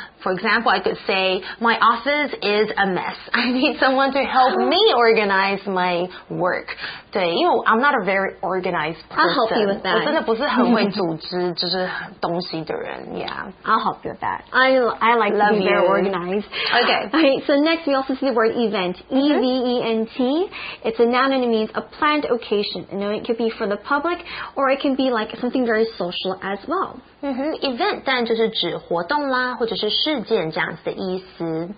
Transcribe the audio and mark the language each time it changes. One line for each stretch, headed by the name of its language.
English: For example, I could say, my office is a mess. I need someone to help me organize my work. 对，因为 I'm not a very organized person. I'll help you with that.
Chinese: 我真的不是很会组织就是东西的人。
English: Yeah. I'll help you with that. I like to be very organized. Okay. Okay, so next we also see the word event. E-V-E-N-T. It's a noun and it means a planned occasion. You know, it could be for the public or it can be like something very social as well.
Chinese: Event 当然就是指活动啦，或者是事件这样子的意思。